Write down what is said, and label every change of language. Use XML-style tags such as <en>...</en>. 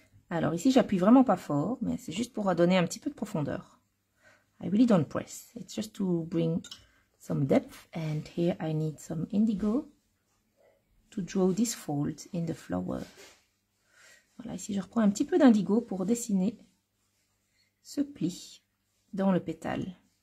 <fr>Alors ici, j'appuie vraiment pas fort, mais c'est juste pour donner un petit peu de profondeur.</fr> <en>I really don't press. It's just to bring some depth. And here I need some indigo to draw this fold in the flower.</en> <fr>Voilà, ici je reprends un petit peu d'indigo pour dessiner ce pli dans le pétale.</fr>